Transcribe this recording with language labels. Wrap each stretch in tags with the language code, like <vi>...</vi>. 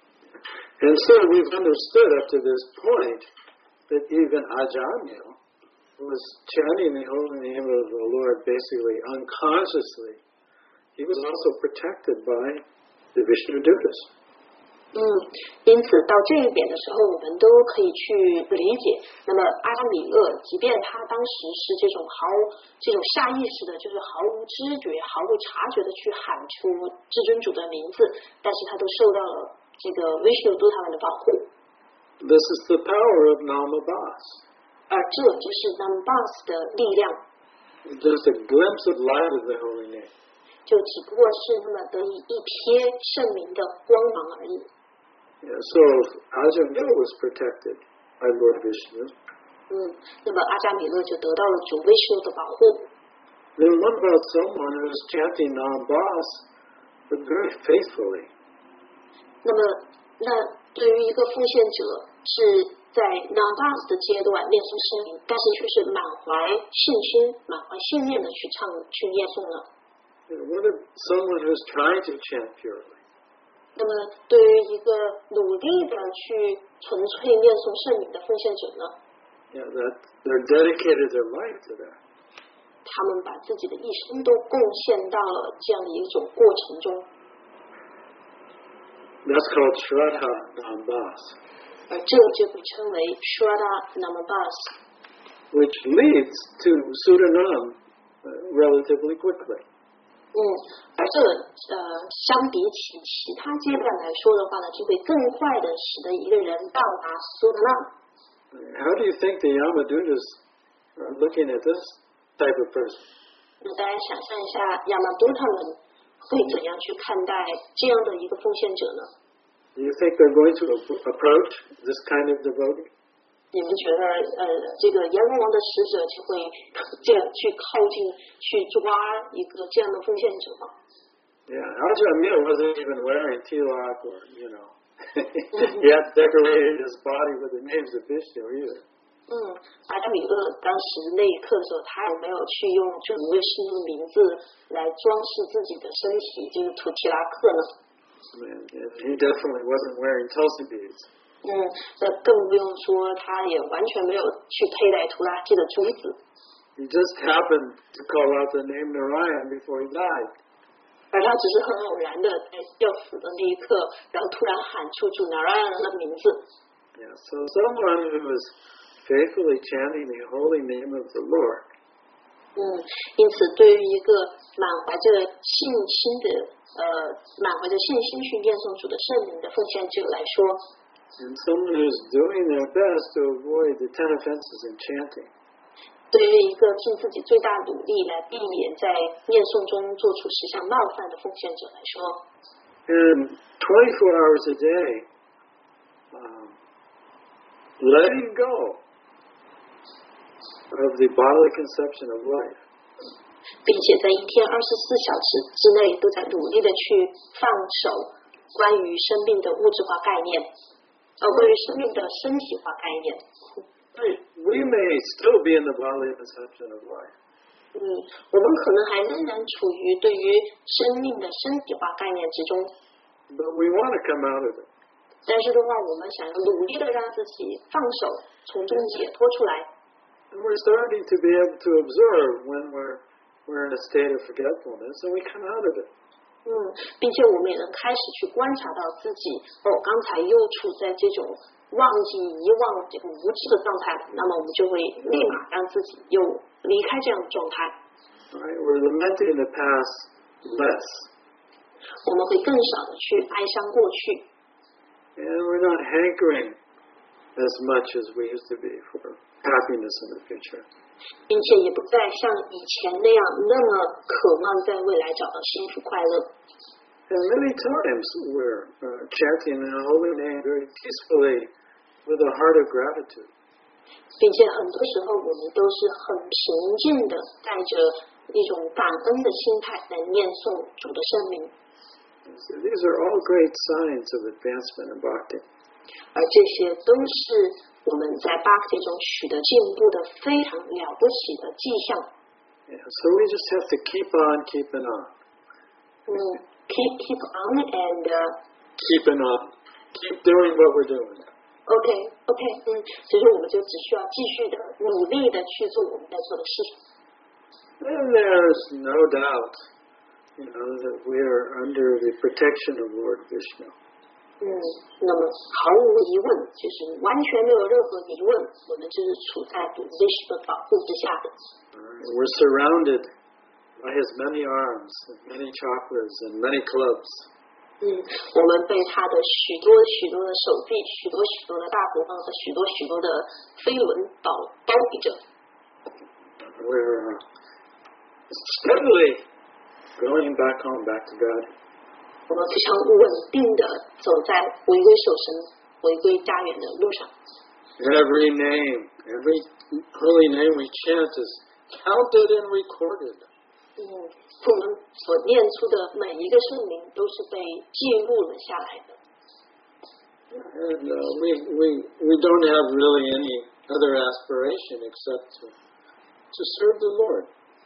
<en>And so we've understood up to this point that even Ajahnya. Was chanting the holy name of the Lord basically unconsciously. He was also protected by the Vishnu Dutas.</en> <zh>因此到这一点的时候，我们都可以去理解。那么阿米勒，即便他当时是这种下意识的，就是毫无知觉、毫无察觉的去喊出至尊主的名字，但是他都受到了这个 Vishnu Dutas 的保护。</zh> <en>This is the power of Nama Bas.</en> <zh>这就是 Nambas 的力量。</zh> <en>Just a glimpse of light of the holy name.</en> <zh>就只不过是那么得以一瞥圣名的光芒而已。</zh> <en>Yeah, so Ajahnya was protected by Lord Vishnu.</en> <zh>那么阿迦米勒就得到了主 Vishnu 的保护。</zh> <en>Then what about someone who is chanting Nambas very faithfully?</en> <zh>那么那对于一个奉献者是。在 Nambas 的阶段念诵圣名，但是却是满怀信心、满怀信念的去念诵了。</zh> <en>What if someone who's trying to chant purely?</en> <zh>那么，对于一个努力的去纯粹念诵圣名的奉献者呢？</zh> <en>Yeah, that they're dedicated their life to that.</en> <zh>他们把自己的一生都贡献到了这样的一种过程中。</zh> <en>That's called Shraddha Nambas.</en> <zh>这个就被称为 Shraddha Nambas,</zh> <en>which leads to Sudanam relatively quickly.</en> <zh>而这相比起其他阶段来说的话呢，就会更快的使得一个人到达 Sudanam.</zh> <en>How do you think the Yamadutas are looking at this type of person?</en> <zh>那大家想象一下 ，Yamadutas 们会怎样去看待这样的一个奉献者呢？</zh> <en>Do you think they're going to approach this kind of devotee?</en> <zh>你们觉得这个阎罗王的使者就会这样去靠近去抓一个这样的奉献者吗？</zh> <en>Yeah, Ajahnya wasn't even wearing tilak or, you know, he had decorated his body with the names of Vishnu either.</en> <zh>阿迦米勒当时那一刻的时候，他也没有去用这个卫生的名字来装饰自己的身体，就是土提拉克呢。</zh> <en>He definitely wasn't wearing tulsi beads.</en> <zh>那更不用说，他也完全没有去佩戴图拉基的珠子。</zh> <en>He just happened to call out the name Narayan before he died.</en> <zh>而他只是很偶然的在要死的那一刻，然后突然喊出主 Narayan 的名字。</zh> <en>Yeah, so someone who was faithfully chanting the holy name of the Lord.</en> <zh>因此对于一个满怀着信心的。满怀着信心去念诵主的圣名的奉献者来说，</zh> <en>And someone who's doing their best to avoid the ten offenses in chanting.</en> <zh>对于一个尽自己最大努力来避免在念诵中做出十项冒犯的奉献者来说，</zh> <en>And 24 hours a day, letting go of the bodily conception of life.</en> <zh>并且在一天24小时之内都在努力的去放手关于生命的物质化概念，关于生命的身体化概念。</zh> <en>We may still be in the bodily perception of life.</en> <zh>我们可能还仍然处于对于生命的身体化概念之中。</zh> <en>But we want to come out of it.</en> <zh>但是的话，我们想要努力的让自己放手，从中解脱出来。</zh> <en>And we're starting to be able to observe when we're in a state of forgetfulness, and we come out of it.</en> <zh>并且我们也能开始去观察到自己，刚才又处在这种忘记遗忘这个无知的状态，那么我们就会立马让自己又离开这样的状态。</zh> <en>Right, we're lamenting the past less.</en> <zh>我们会更少的去哀伤过去。</zh> <en>And we're not hankering as much as we used to be for happiness in the future.</en> <zh>并且也不再像以前那样那么渴望在未来找到幸福快乐。</zh> <en>And many times we're chanting the holy name very peacefully with a heart of gratitude.</en> <zh>并且很多时候我们都是很平静的带着一种感恩的心态来念诵主的圣名。</zh> <en>These are all great signs of advancement in Bhakti.</en> <zh>而这些都是我们在 Bhakti 中取得进步的非常了不起的迹象。</zh> <en>So we just have to keep on keeping on. Keep on and keep it up. Keep doing what we're doing. Okay.</en> <zh>其实我们就只需要继续的努力的去做我们在做的事情。</zh> <en>And there's no doubt, that we are under the protection of Lord Vishnu.</en> <zh>那么毫无疑问，就是完全没有任何疑问，我们就是处在 Vishnu 的保护之下的。</zh> <en>We're surrounded. By his many arms, and many chakras, and many clubs.</en> <zh>我们被他的许多许多的手臂，许多许多的大鼓棒和许多许多的飞轮包围着。</zh> <en>We're steadily going back home, back to God.</en> <zh>我们非常稳定的走在回归守神、回归家园的路上。</zh> <en>Every holy name we chant is counted and recorded.</en> <zh>我们所念出的每一个圣名都是被记录了下来的。</zh> <en>We don't have really any other aspiration except to serve the Lord.</en>